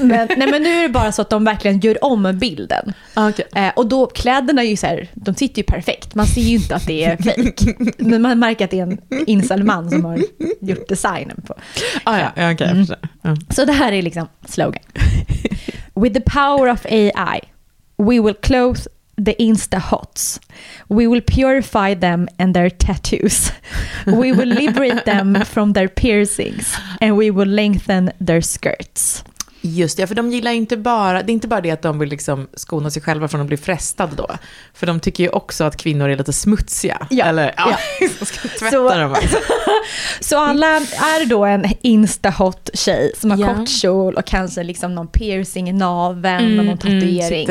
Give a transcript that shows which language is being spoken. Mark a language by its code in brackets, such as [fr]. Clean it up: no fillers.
[sv] Men nu är det bara så att de verkligen gör om bilden. Okay. Och då kläderna är ju så här, de sitter ju perfekt. Man ser ju inte att det är fake. Men man märker att det är en inställd man som har gjort designen på. Okay, jag förstår. Så det här är liksom slogan. [en] With the power of AI, we will clothe the Insta-hots. We will purify them and their tattoos. We will liberate them from their piercings. And we will lengthen their skirts. [sv] Just det, för de gillar inte bara, det är inte bara det att de vill liksom skona sig själva från att bli frestade då. För de tycker ju också att kvinnor är lite smutsiga. Ja. Eller, ja, ja. Så ska tvätta dem. Så alla är då en insta-hot tjej som har kort kjol och kanske liksom någon piercing i naveln och någon tatuering.